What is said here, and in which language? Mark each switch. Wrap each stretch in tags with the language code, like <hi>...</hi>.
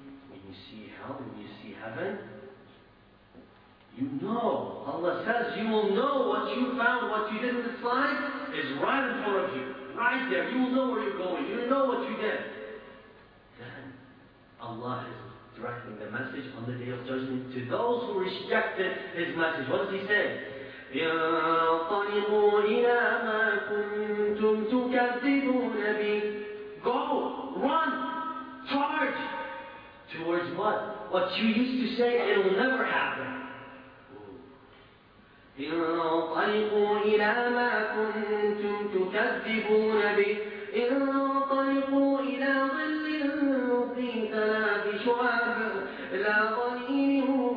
<en>When you see hell, when you see heaven, you know, Allah says, you will know what you found, what you did in this life is right in front of you. Right there. You will know where you're going. You will know what you did. Then Allah is directing the message on the day of judgment to those who rejected His message. What does He say?</en> <ar>انطلقوا إلى ما كنتم تكذبون به.</ar> <en>Go, run, charge towards what? What you used to say, it will never happen.</en> <ar>انطلقوا إلى ما كنتم تكذبون به. انطلقوا إلى ظل ذي ثلاث شعاب لا ظليل</ar>